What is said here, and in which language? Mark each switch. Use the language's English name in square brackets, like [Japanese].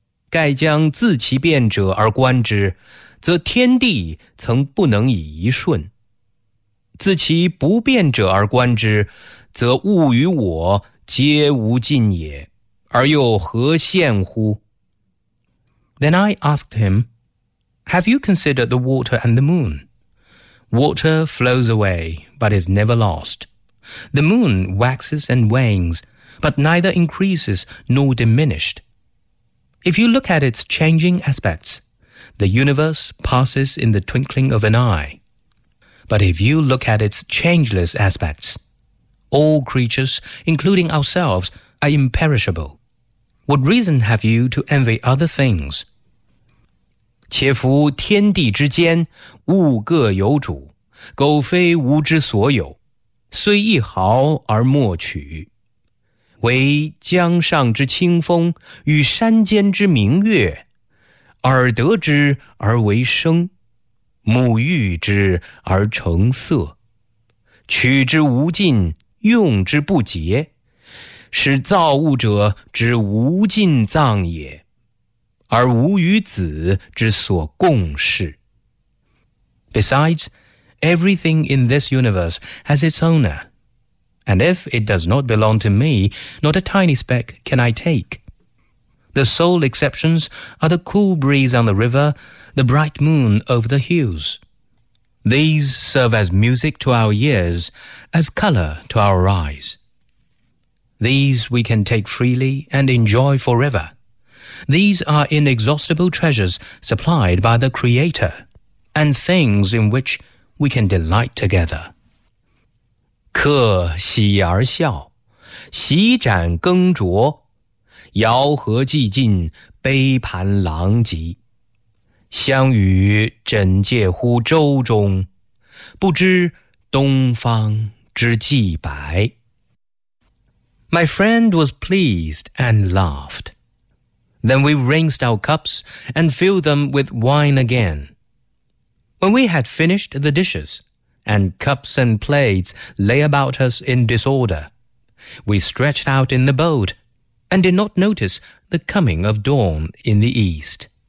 [Chinese] 盖将自其变者而观之，则天地曾不能以一瞬；自其不变者而观之，则物与我皆无尽也，而又何羡乎？ [English] Then I asked him, Have you considered the water and the moon? Water flows away, but is never lost. The moon waxes and wanes, but neither increases nor diminished. If you look at its changing aspects, the universe passes in the twinkling of an eye. But if you look at its changeless aspects, all creatures, including ourselves, are imperishable. What reason have you to envy other things? [Chinese] 且夫天地之间，物各有主，苟非吾之所有，虽一毫而莫取。惟江上之清风，与山间之明月，耳得之而为声，目遇之而成色，取之无尽，用之不竭，使造物者之无尽藏也，而吾与子之所共事。 [English] Besides, everything in this universe has its owner, and if it does not belong to me, not a tiny speck can I take. The sole exceptions are the cool breeze on the river, the bright moon over the hills. These serve as music to our ears, as color to our eyes. These we can take freely and enjoy forever. These are inexhaustible treasures supplied by the Creator, and things in which we can delight together. [Chinese] 客喜而笑，席盏羹酌，肴盒既尽，杯盘狼藉。相与枕藉乎舟中，不知东方之既白。 [English] My friend was pleased and laughed. Then we rinsed our cups and filled them with wine again. When we had finished the dishes, and cups and plates lay about us in disorder, we stretched out in the boat and did not notice the coming of dawn in the east.